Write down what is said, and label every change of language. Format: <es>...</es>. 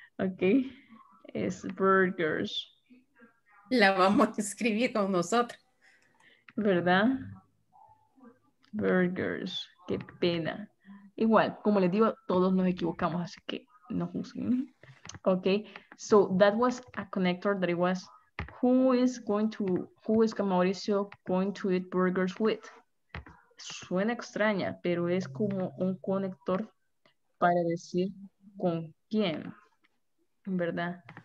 <es>Ok. Es burgers. La vamos a escribir con nosotros. ¿Verdad? Burgers. Qué pena. Igual, como les digo, todos nos equivocamos, así que no juzguen. Ok.</es> <en>So, that was a connector that it was. Who is going to, who is Mauricio going to eat burgers with?</en> <es>Suena extraña, pero es como un conector para decir con quién, ¿verdad?</es>